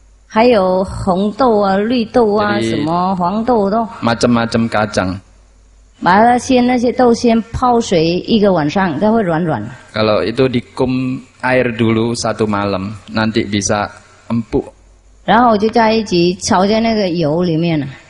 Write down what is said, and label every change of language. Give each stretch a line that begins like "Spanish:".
Chinese: 还有红豆啊，绿豆啊，什么黄豆都。
Indonesian: macam-macam kacang.
Chinese: 把那些豆先泡水一个晚上，它会软软。
Indonesian: Kalau itu dikum air dulu satu malam, nanti bisa empuk.
Chinese: 然后就在一起炒在那个油里面。